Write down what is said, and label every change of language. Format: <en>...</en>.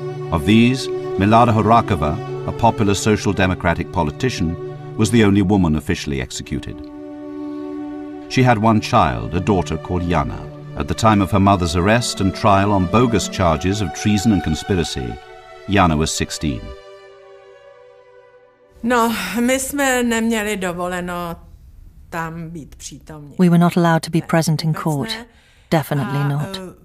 <en>Of these, Milada Horáková, a popular social democratic politician, was the only woman officially executed. She had one child, a daughter called Jana. At the time of her mother's arrest and trial on bogus charges of treason and conspiracy, Jana was 16.</en> <cs>No, my jsme neměli dovoleno tam být přítomní.</cs> <en>We were not allowed to be present in court. Definitely not.</en>